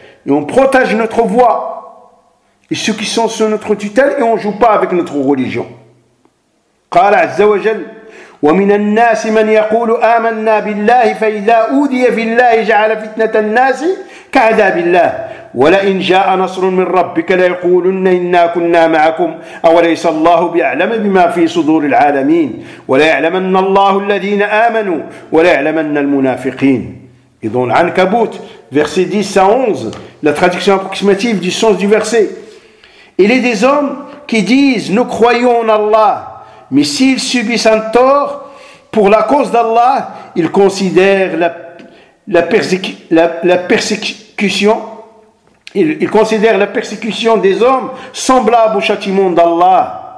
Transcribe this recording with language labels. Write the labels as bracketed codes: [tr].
[fr] Et on protège notre voix. Et ceux qui sont sous notre tutelle, et on ne joue pas avec notre religion. [ar] قال عز وجل ومن الناس من يقول آمنا بالله فإذا أودي في الله جعل فتنة الناس كعذاب الله ولئن جاء نصر من ربك ليقولن إنا كنا معكم أوليس الله بأعلم بما في صدور العالمين وليعلمن الله الذين آمنوا وليعلمن المنافقين إذن عنكبوت [fr] verset 10 à 11 la traduction approximative du sens du verset. Il est des hommes qui disent nous croyons en Allah, mais s'ils subissent un tort pour la cause d'Allah, ils considèrent la persécution. Ils considèrent la persécution des hommes semblable au châtiment d'Allah.